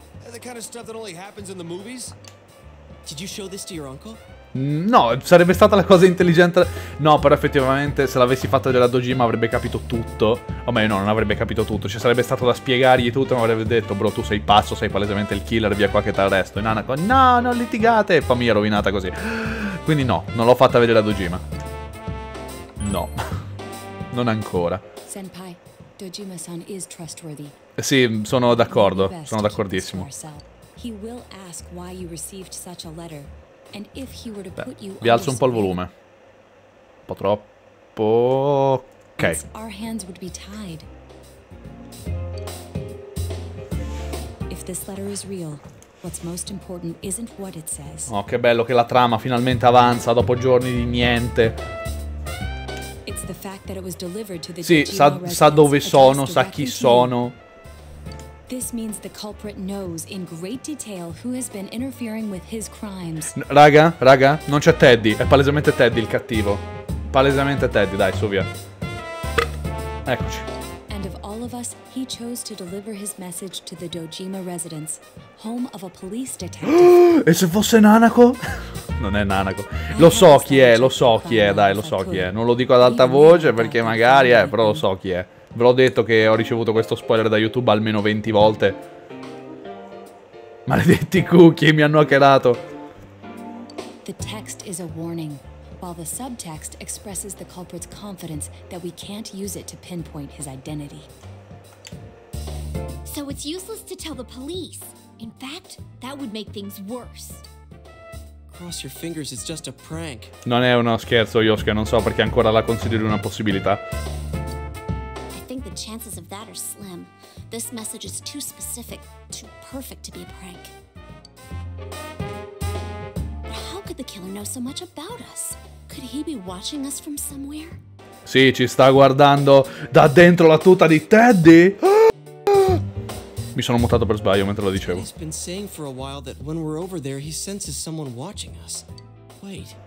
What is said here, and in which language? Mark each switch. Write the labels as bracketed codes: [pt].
[en] The kind of stuff that only happens in the movies? Did you show this to your uncle? [it] No, sarebbe stata la cosa intelligente. No, però effettivamente se l'avessi fatta della Dojima avrebbe capito tutto. O meglio, no, non avrebbe capito tutto. Cioè, sarebbe stato da spiegargli tutto e mi avrebbe detto: bro, tu sei pazzo, sei palesemente il killer, via qua che ti arresto. E Nanako: no, non litigate. E famiglia rovinata così. Quindi no, non l'ho fatta vedere la Dojima. No. Non ancora. [en] Senpai, Dojima-san is trustworthy. [it] Sì, sono d'accordo. Sono d'accordissimo. [en] He will ask why you received such a letter. And if he were to put you... [it] Beh, vi alzo un po' il volume. Un po' troppo... Ok. [en] Our hands would be tied. If this letter is real, what's most important isn't what it says. [it] Oh, che bello che la trama finalmente avanza dopo giorni di niente. [en] It's the [it] Sì, sa dove sono, sa chi sono. [en] This means the culprit knows in great detail who has been interfering with his crimes. [it] Raga, non c'è Teddy, è palesemente Teddy il cattivo. Palesemente Teddy, dai, su via. Eccoci. [en] And of all of us, he chose to deliver his message to the Dojima residence, home of a police detective. [it] E se fosse Nanako? Non è Nanako. Lo so chi è. Non lo dico ad alta voce perché magari, però lo so chi è. Ve l'ho detto che ho ricevuto questo spoiler da YouTube almeno 20 volte. Maledetti cookie, mi hanno hackerato. [en] The text is a warning, while the subtext expresses the culprit's confidence that we can't use it to pinpoint his identity. So it's useless to tell the police. In fact, that would make things worse. Cross your fingers, it's just a prank. [it] Non è uno scherzo, Yosuke, non so perché ancora la consideri una possibilità. [en] Chances of that are slim. This message is too specific, too perfect to be a prank. But how could the killer know so much about us? Could he be watching us from somewhere? [it] Sì, ci sta guardando da dentro la tuta di Teddy. Mi sono mutato per sbaglio mentre lo dicevo. [en] He's been saying for a while that when we're over there, he senses someone watching us. Wait.